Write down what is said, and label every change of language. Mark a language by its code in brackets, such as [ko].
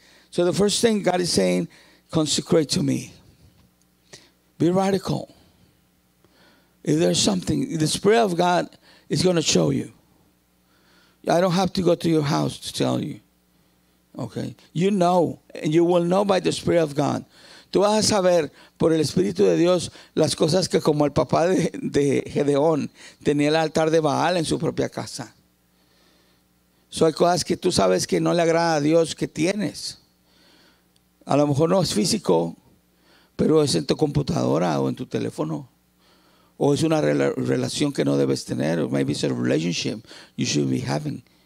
[en] So the first thing God is saying, consecrate to me. Be radical. If there's something, the Spirit of God is going to show you. I don't have to go to your house to tell you. Okay? You know, and you will know by the Spirit of God. [es] Tú vas a saber por el Espíritu de Dios las cosas que como el papá de Gedeón tenía el altar de Baal en su propia casa. So hay cosas que tú sabes que no le agrada a Dios que tienes. A lo mejor no es físico, pero es en tu computadora o en tu teléfono. O es una relación que no debes tener. [en] Or maybe it's a relationship you should be having.